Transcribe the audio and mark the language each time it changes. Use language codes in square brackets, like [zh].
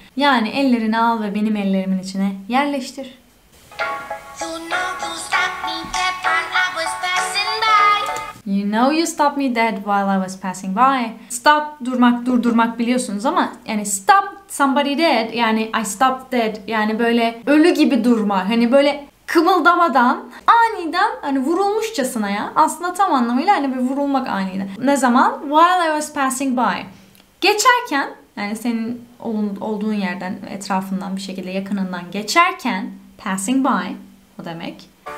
[tr] Yani ellerini al ve benim ellerimin içine yerleştir. [en] You know you stopped me dead while I was passing by. You know you stopped me dead while I was passing by. [tr] Stop, durmak, durdurmak biliyorsunuz ama yani stop. [en] Somebody dead, [tr] yani [en] I stopped dead, [tr] yani böyle ölü gibi durma, hani böyle kımıldamadan, aniden, hani vurulmuşçasına ya. Aslında tam anlamıyla hani bir vurulmak aniden. Ne zaman? [en] While I was passing by. [tr] Geçerken, yani senin olduğun yerden, etrafından bir şekilde yakınından geçerken, [en] passing by, [tr] o demek.